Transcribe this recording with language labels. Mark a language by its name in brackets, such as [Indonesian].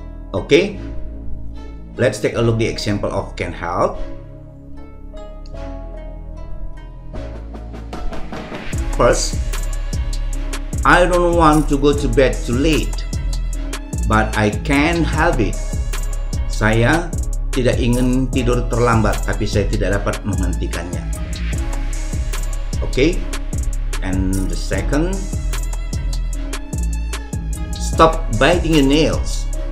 [English] Okay, let's take a look the example of can help. First, I don't want to go to bed too late. but I can't help it. [Indonesian] Saya tidak ingin tidur terlambat, tapi saya tidak dapat menghentikannya. [English] Okay, and the second, stop biting your nails.